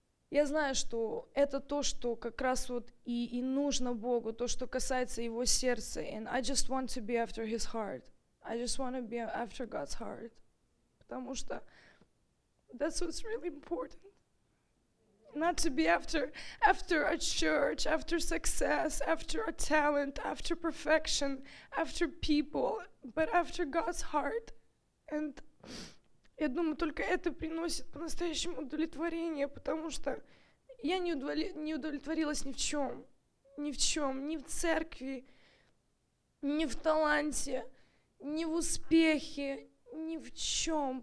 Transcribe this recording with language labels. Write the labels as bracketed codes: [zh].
[ru] я знаю, что это то, что как раз вот и нужно Богу, то, что касается его сердца, [en] and I just want to be after his heart, I just want to be after God's heart, [ru] потому что [en] that's what's really important. Not to be after a church, after success, after a talent, after perfection, after people, but after God's heart. [ru] And я думаю, только это приносит по-настоящему удовлетворение, потому что я не удовлетворилась ни в чем. Ни в чем, ни в церкви, ни в таланте, ни в успехе, ни в чем.